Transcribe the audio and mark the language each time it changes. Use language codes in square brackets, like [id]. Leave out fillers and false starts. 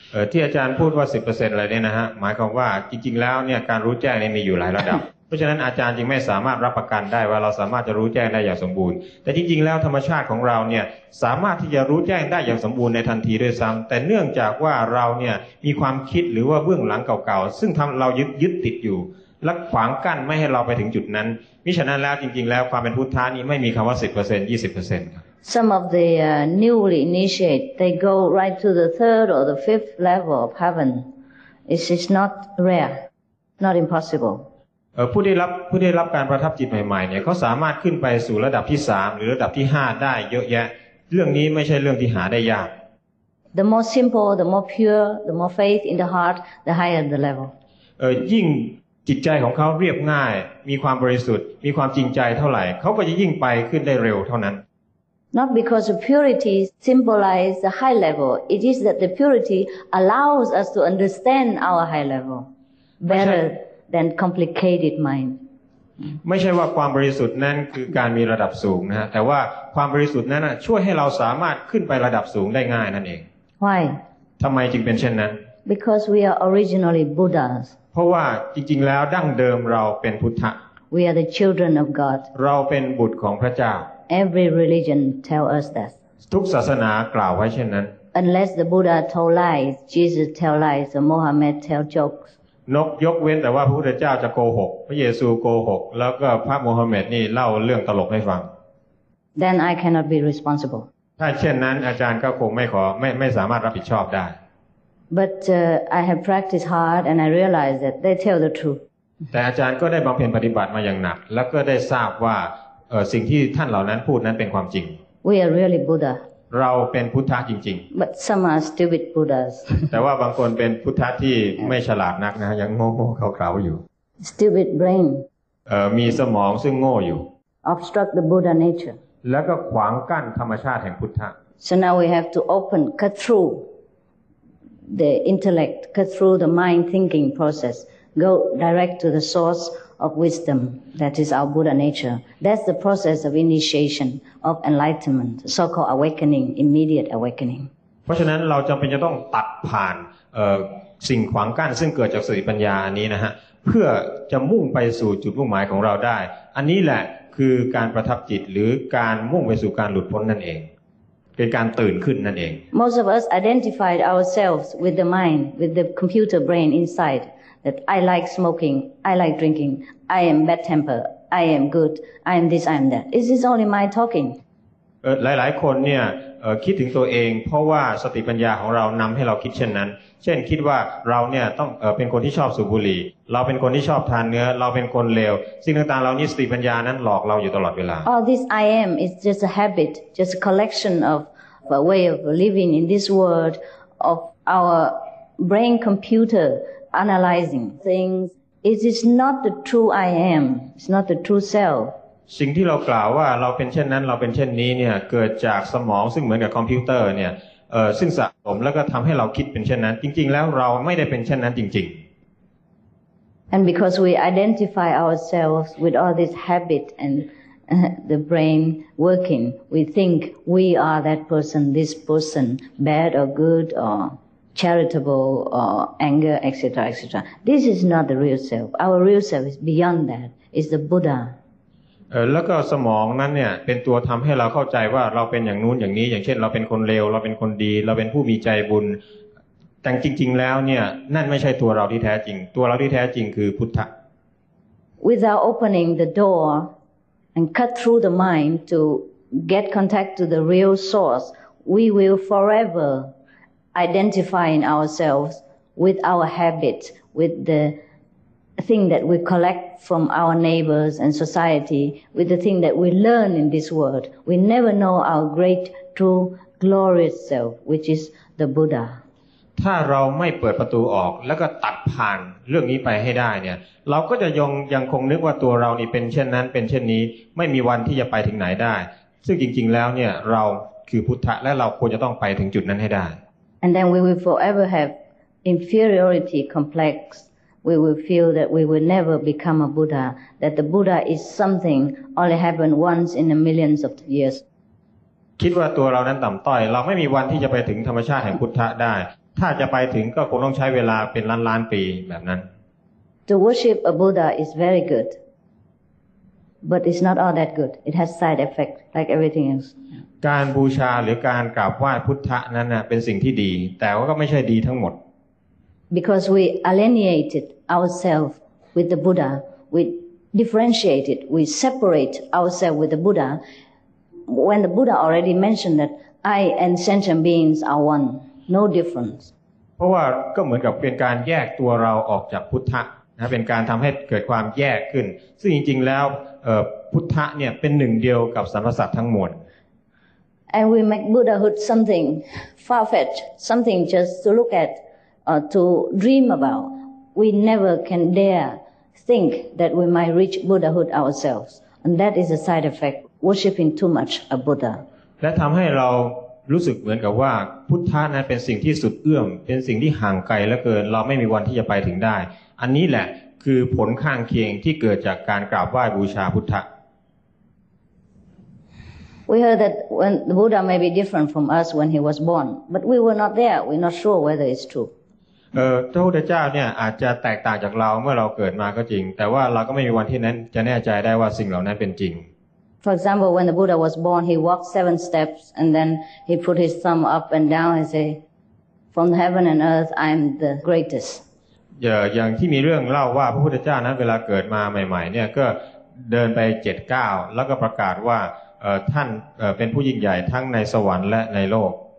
[th] ที่อาจารย์พูดว่า 10% อะไรเนี่ยนะฮะหมายความว่าจริงๆแล้วเนี่ยการรู้แจ้งเนี่ยมีอยู่หลายระดับเพราะฉะนั้นอาจารย์จึงไม่สามารถรับประกันได้ว่าเราสามารถจะรู้แจ้งได้อย่างสมบูรณ์แต่จริงๆแล้วธรรมชาติของเราเนี่ยสามารถที่จะรู้แจ้งได้อย่างสมบูรณ์ในทันทีด้วยซ้ำแต่เนื่องจากว่าเราเนี่ยมีความคิดหรือว่าเบื้องหลังเก่าๆซึ่งทำเรายึดติดอยู่และขวางกั้นไม่ให้เราไปถึงจุดนั้นมิฉะนั้นแล้วจริงๆแล้วความเป็นพุทธะนี้ไม่มีคำว่า 10% 20% ครับ [en] Some of the newly initiate they go right to the third or the fifth level of heaven it is not rare not impossible [th] ผู้ได้รับการประทับจิตใหม่ๆเนี่ยเขาสามารถขึ้นไปสู่ระดับที่3หรือระดับที่5ได้เยอะแยะเรื่องนี้ไม่ใช่เรื่องที่หาได้ยาก [en] The more simple the more pure the more faith in the heart the higher the level [th] ยิ่งจิตใจของเขาเรียบง่ายมีความบริสุทธิ์มีความจริงใจเท่าไหร่เขาก็จะยิ่งไปขึ้นได้เร็วเท่านั้น [en] Not because of purity symbolizes the high level it is that the purity allows us to understand our high level better than complicated mind [th] ไม่ใช่ว่าความบริสุทธิ์นั้นคือการมีระดับสูงนะฮะแต่ว่าความบริสุทธิ์นั้นช่วยให้เราสามารถขึ้นไประดับสูงได้ง่ายนั่นเอง [en] Why? [th] ทำไมจึงเป็นเช่นนั้น [en] Because we are originally Buddhas. [th] เพราะว่าจริงๆแล้วดั้งเดิมเราเป็นพุทธะ [en] We are the children of God. [th] เราเป็นบุตรของพระเจ้า [en] Every religion tells us that. [th] ทุกศาสนากล่าวไว้เช่นนั้น [en] Unless the Buddha told lies, Jesus tells lies, or Mohammed tells jokes. [th] นกยกเว้นแต่ว่าพระพุทธเจ้าจะโกหกพระเยซูโกหกแล้วก็พระมูฮัมหมัดนี่เล่าเรื่องตลกให้ฟัง [en] Then I cannot be responsible. [th] ถ้าเช่นนั้นอาจารย์ก็คงไม่ขอไม่สามารถรับผิดชอบได้ [en] But I have practiced hard and I realized that they tell the truth [th] แต่อาจารย์ก็ได้บำเพ็ญปฏิบัติมาอย่างหนักแล้วก็ได้ทราบว่าสิ่งที่ท่านเหล่านั้นพูดนั้นเป็นความจริง [en] We are really Buddha [th] เราเป็นพุทธะจริง [en] ๆ But some are stupid Buddhas [th] แต่ว่าบางคนเป็นพุทธะที่ไม่ฉลาดนักนะยังโง่โง่เขลาเขลาอยู่ [en] Stupid brain [th] มีสมองซึ่งโง่อยู่ [en] Obstruct the Buddha nature [th] แล้วก็ขวางกั้นธรรมชาติแห่งพุทธะ [en] So now we have to open, cut through the intellect, cut through the mind thinking process, go direct to the source of wisdom, that is our Buddha nature. That's the process of initiation, of enlightenment, so-called awakening, immediate awakening. [th] เพราะฉะนั้นเราจำเป็นจะต้องตัดผ่านสิ่งขวางกั้นซึ่งเกิดจากสติปัญญาอันนี้นะฮะเพื่อจะมุ่งไปสู่จุดมุ่งหมายของเราได้อันนี้แหละคือการประทับจิตหรือการมุ่งไปสู่การหลุดพ้นนั่นเองเป็นการตื่นขึ้นนั่นเอง [en] Most of us identified ourselves with the mind with the computer brain inside that I like smoking I like drinking I am bad temper I am good I am this I am that is this only my talking [th] หลายๆคนเนี่ยคิดถึงตัวเองเพราะว่าสติปัญญาของเรานำให้เราคิดเช่นนั้นเช่นคิดว่าเราเนี่ยต้องเป็นคนที่ชอบสูบบุหรี่เราเป็นคนที่ชอบทานเนื้อเราเป็นคนเลวสิ่งต่างๆเหล่านี้สติปัญญานั้นหลอกเราอยู่ตลอดเวลา [en] All this I am is just a habit just a collection of a way of living in this world of our brain computer analyzing things it is not the true I am it's not the true self [th] สิ่งที่เรากล่าวว่าเราเป็นเช่นนั้นเราเป็นเช่นนี้เนี่ยเกิดจากสมองซึ่งเหมือนกับคอมพิวเตอร์เนี่ยซึ่งสะสมแล้วก็ทำให้เราคิดเป็นเช่นนั้นจริงๆแล้วเราไม่ได้เป็นเช่นนั้นจริง [en] ๆ And because we identify ourselves with all this habit and the brain working we think we are that person this person bad or good or charitable or anger etc etc this is not the real self our real self is beyond that is the Buddha [th] แล้วก็สมองนั้นเนี่ยเป็นตัวทำให้เราเข้าใจว่าเราเป็นอย่างนู้นอย่างนี้อย่างเช่นเราเป็นคนเลวเราเป็นคนดีเราเป็นผู้มีใจบุญแต่จริงๆแล้วเนี่ยนั่นไม่ใช่ตัวเราที่แท้จริงตัวเราที่แท้จริงคือพุทธะ [en] Without opening the door and cut through the mind to get contact to the real source we will forever identifying ourselves with our habit with theThing that we collect from our neighbors and society, with the thing that we learn in this world, we never know our great, true, glorious self, which is the Buddha. [th] ถ้าเราไม่เปิดประตูออกแล้วก็ตัดผ่านเรื่องนี้ไปให้ได้เนี่ยเราก็จะยังคงนึกว่าตัวเรานี่เป็นเช่นนั้นเป็นเช่นนี้ไม่มีวันที่จะไปถึงไหนได้ซึ่งจริงๆแล้วเนี่ยเราคือพุทธะและเราควรจะต้องไปถึงจุดนั้นให้ได้ [en] And then we will forever have inferiority complex. We will feel that we will never become a Buddha. That the Buddha is something only happened once in a millions of years. [th] คิดว่าตัวเรานั้นต่ำต้อยเราไม่มีวันที่จะไปถึงธรรมชาติแห่งพุทธะได้ถ้าจะไปถึงก็คงต้องใช้เวลาเป็นล้านล้านปีแบบนั้น [en] To worship a Buddha is very good, but it's not all that good. It has side effects like everything else. [th] การบูชาหรือการกราบไหว้พุทธะนั้นเป็นสิ่งที่ดีแต่ว่าก็ไม่ใช่ดีทั้งหมด [en] Because we alienated ourselves with the Buddha, we differentiated, we separate ourselves with the Buddha. When the Buddha already mentioned that I and sentient beings are one, no difference. [th] เพราะว่าก็เหมือนกับเป็นการแยกตัวเราออกจากพุทธะนะเป็นการทำให้เกิดความแยกขึ้นซึ่งจริงๆแล้วพุทธะเนี่ยเป็นหนึ่งเดียวกับสรรพสัตว์ทั้งมวล [en] And we make Buddhahood something far-fetched, something just to look at. To dream about, we never can dare think that we might reach Buddhahood ourselves, and that is a side effect worshipping too much a Buddha. [th] และทำให้เรารู้สึกเหมือนกับว่าพุทธะนั้นเป็นสิ่งที่สุดเอื้อมเป็นสิ่งที่ห่างไกลเหลือเกินเราไม่มีวันที่จะไปถึงได้อันนี้แหละคือผลข้างเคียงที่เกิดจากการกราบไหว้บูชาพุทธะ [en] We heard that when the Buddha may be different from us when he was born, but we were not there. We're not sure whether it's true. [th] พระพุทธเจ้าเนี่ยอาจจะแตกต่างจากเราเมื่อเราเกิดมาก็จริงแต่ว่าเราก็ไม่มีวันที่นั้นจะแน่ใจได้ว่าสิ่งเหล่านั้นเป็นจริง [en] For example, when the Buddha was born, he walked 7 steps and then he put his thumb up and down and say, "From heaven and earth, I'm the greatest." [th] อย่างที่มีเรื่องเล่าว่าพระพุทธเจ้านั้นเวลาเกิดมาใหม่ๆเนี่ยก็เดินไป7ก้าวแล้วก็ประกาศว่าท่านเป็นผู้ยิ่งใหญ่ทั้งในสวรรค์และในโลก